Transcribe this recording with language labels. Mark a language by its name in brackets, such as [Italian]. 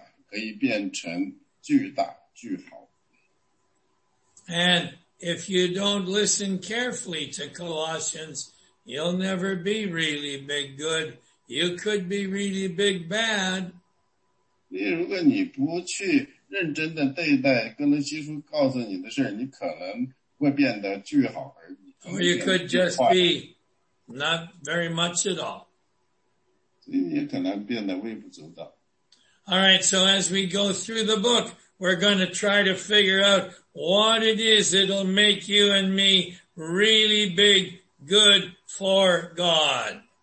[Chinese] 所以呢，哥伦西书告诉你，你怎么样可以变成巨大巨好。 [English] And if you don't listen carefully to Colossians, you'll never be really big good. You could be really big bad. [Chinese] 如果你不去认真地对待哥伦西书告诉你的事，你可能会变得巨好而已。 [English] Or you could just be not very much at all. [Chinese] 所以你可能变得微不足道。 [English] All right, so as we go through the book, we're going to try to figure out what it is that'll make you and me really big good for God.